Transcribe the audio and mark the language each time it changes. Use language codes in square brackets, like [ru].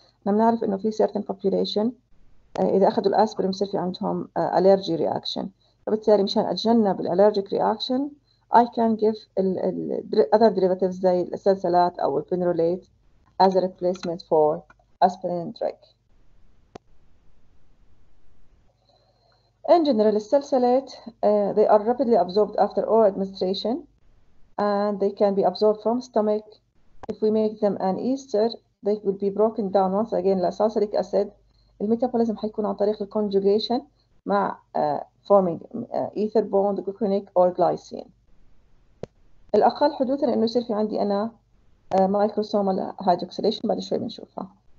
[ar] احنا بنعرف انه في سيرتن بوبيوليشن اذا اخذوا الاسبرين بصير في عندهم الرجي رياكشن، فبالتالي مشان اتجنب الالرجيك رياكشن اي كان جيف الاذر ديريفاتيفز زي السلسلات او البينروليت از ريبليسمنت فور اسبرين دريك. [en] In general, salicylate, they are rapidly absorbed after oral administration, and they can be absorbed from stomach. If we make them an ester, they will be broken down once again like salicylic acid. The metabolism will be through the conjugation with forming ether bond, glycinic, or glycine. [ar] الأقل حدوثاً إنه يصير في عندي أنا microsomal hydroxylation بعد شوي بنشوفها.